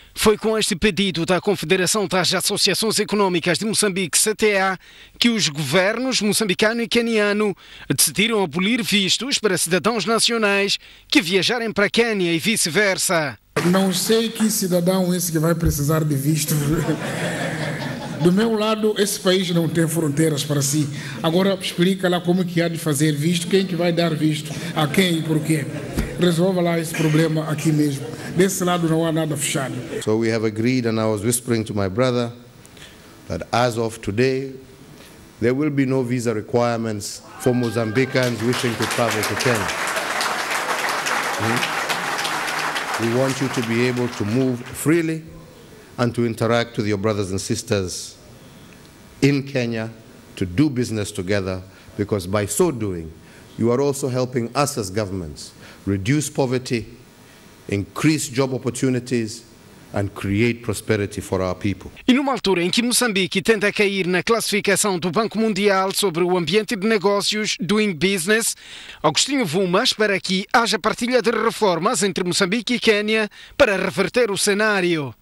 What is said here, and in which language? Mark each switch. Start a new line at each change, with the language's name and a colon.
Portuguese: Foi com este pedido da Confederação das Associações Económicas de Moçambique, CTA, que os governos moçambicano e queniano decidiram abolir vistos para cidadãos nacionais que viajarem para Quênia e vice-versa. Não sei que cidadão esse que vai precisar de visto. Do meu lado, esse país não tem fronteiras para si. Agora explica lá como que há de fazer visto, quem que vai dar visto, a quem e por quê. Resolva lá esse problema aqui mesmo. Desse lado não há nada fechado.
English: So we have agreed, and I was whispering to my brother that as of today there will be no visa requirements for Mozambicans wishing to travel to Kenya. We want you to be able to move freely and to interact with your brothers and sisters in Kenya, to do business together, because by so doing you are also helping us as governments reduce poverty, increase job opportunities and create prosperity for our people.
Portuguese: E numa altura em que Moçambique tenta cair na classificação do Banco Mundial sobre o ambiente de negócios, Doing Business, Agostinho Vuma espera que haja partilha de reformas entre Moçambique e Quênia para reverter o cenário.